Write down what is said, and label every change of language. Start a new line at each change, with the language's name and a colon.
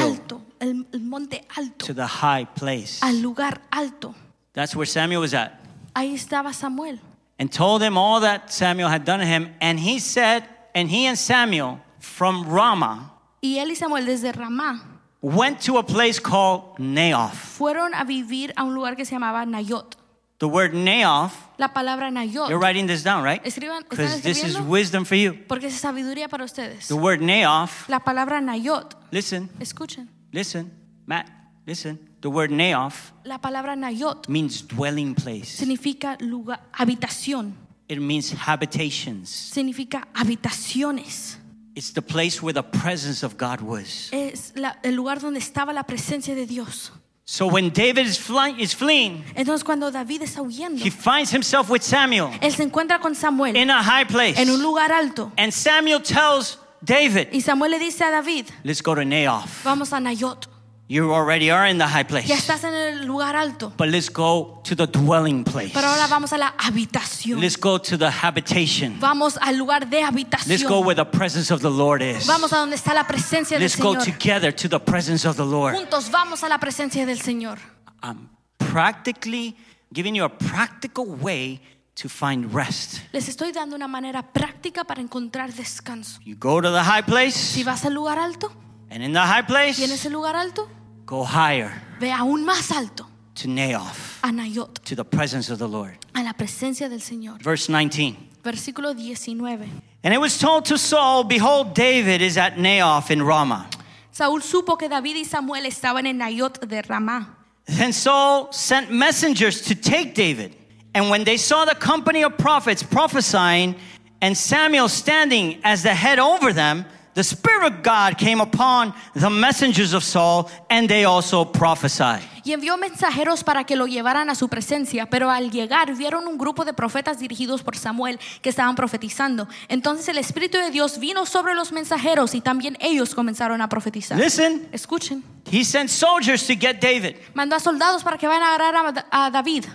Spanish: Alto. El monte alto.
English: To the high place.
Spanish: Al lugar alto.
English: That's where Samuel was at.
Spanish: Ahí estaba Samuel.
English: And told him all that Samuel had done to him. And he said, and he and Samuel from Ramah.
Spanish: Y él y Samuel desde Ramá
English: went to a place called Naoth.
Spanish: Fueron a vivir a un lugar que se llamaba Nayot.
English: The word Naoth.
Spanish: La palabra Nayot.
English: You're writing this down, right?
Spanish: Escriban,
English: because this is wisdom for you.
Spanish: Porque es sabiduría para ustedes.
English: The word Naoth.
Spanish: La palabra Nayot.
English: Listen.
Spanish: Escuchen.
English: Listen, Matt. Listen. The word Naoth.
Spanish: La palabra Nayot.
English: Means dwelling place.
Spanish: Significa lugar, habitación.
English: It means habitations.
Spanish: Significa habitaciones.
English: It's the place where the presence of God was.
Spanish: Es la, el lugar donde estaba la presencia de Dios.
English: So when David is fleeing,
Spanish: entonces cuando David está huyendo,
English: he finds himself with Samuel.
Spanish: Él se encuentra con Samuel
English: in a high place.
Spanish: En un lugar alto.
English: And Samuel tells David,
Spanish: y Samuel le dice a David,
English: let's go to Naoth.
Spanish: Vamos a Nayot.
English: You already are in the high place.
Spanish: Ya estás en el lugar alto.
English: But let's go to the dwelling place.
Spanish: Pero ahora vamos a la habitación.
English: Let's go to the habitation.
Spanish: Vamos al lugar de habitación.
English: Let's go where the presence of the Lord is.
Spanish: Vamos a donde está la presencia del Señor.
English: Let's go together to the presence of the Lord.
Spanish: Juntos vamos a la presencia del Señor.
English: I'm practically giving you a practical way to find rest.
Spanish: Les estoy dando una manera práctica para encontrar descanso.
English: You go to the high place.
Spanish: Si vas al lugar alto.
English: And in the high place,
Spanish: ¿y en ese lugar alto?
English: Go higher.
Spanish: Ve aún más alto.
English: To Naoth.
Spanish: A Nayot.
English: To the presence of the Lord.
Spanish: A la presencia del Señor.
English: Verse 19.
Spanish: Versículo 19.
English: And it was told to Saul, behold, David is at Naoth in Ramah.
Spanish: Saúl supo que David y Samuel estaban en Nayot de Ramá.
English: Then Saul sent messengers to take David. And when they saw the company of prophets prophesying and Samuel standing as the head over them, the Spirit of God came upon the messengers of Saul, and they also prophesied.
Spanish: Y envió mensajeros para que lo llevaran a su presencia, pero al llegar vieron un grupo de profetas dirigidos por Samuel que estaban profetizando. Entonces el Espíritu de Dios vino sobre los mensajeros y también ellos comenzaron a profetizar.
English: Listen.
Spanish: Escuchen.
English: He sent soldiers to get David.
Spanish: Mandó a soldados para que vayan a agarrar a David.